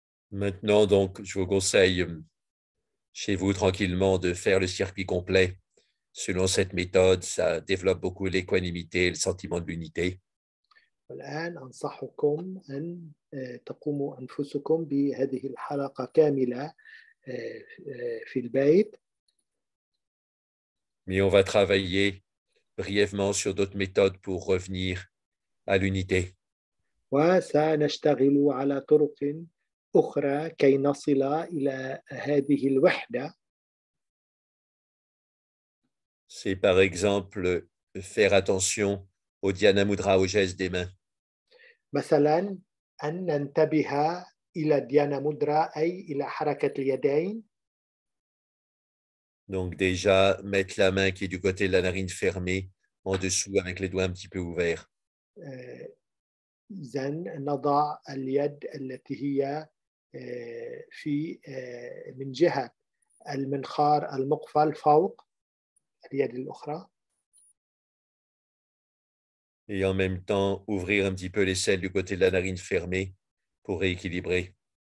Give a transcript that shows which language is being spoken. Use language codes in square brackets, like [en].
[fr] Maintenant, donc, je vous conseille chez vous tranquillement de faire le circuit complet. Selon cette méthode, ça développe beaucoup l'équanimité et le sentiment de l'unité. [ar] الآن أنصحكم أن تقوموا أنفسكم بهذه الحلقة كاملة في البيت. [fr] Mais on va travailler brièvement sur d'autres méthodes pour revenir à l'unité. [ar] وسنشتغل على طرق أخرى كي نصل إلى هذه الوحدة. [fr] C'est par exemple faire attention au dhyana mudra, au geste des mains. [ar] مثلا ان ننتبه الى ديانا مودرا اي الى حركه اليدين. [fr] Donc déjà mettre la main qui est du côté de la narine fermée en dessous avec les doigts un petit peu ouverts. [ar] زين نضع اليد التي هي في من جهه المنخار المقفل فوق اليد الاخرى. [fr] Et en même temps, ouvrir un petit peu les selles du côté de la narine fermée pour rééquilibrer.